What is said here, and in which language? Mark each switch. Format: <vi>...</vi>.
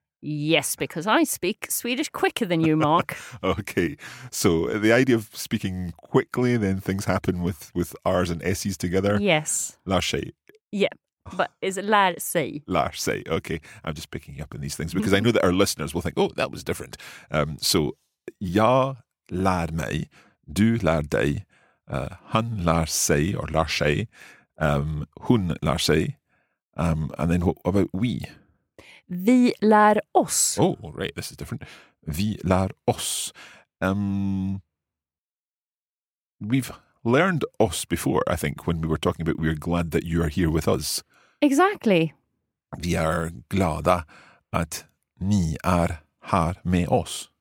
<en>Yes, because I speak Swedish quicker than you, Mark. Okay, so the idea of speaking quickly, then things happen with R's and S's together. Yes.</en> <sv>Lär sig.</sv> <en>Yeah. But is it</en> <sv>lär sig? Lär sig. Okay.</sv> <en>I'm just picking you up on these things because I know that our listeners will think, oh, that was different.</en> <sv>So, jag lär mig, du lär dig, han lär sig or lär sig, hon lär sig,</sv> <en>and then what about we?</en> <sv>Vi lär oss.</sv> <en>Oh, right. This is different.</en> <sv>Vi lär oss.</sv> <en>We've learned oss before, I think, when we were talking about we're glad that you are here with us. Exactly.</en> <sv>Vi är glada att ni är här med oss.</sv>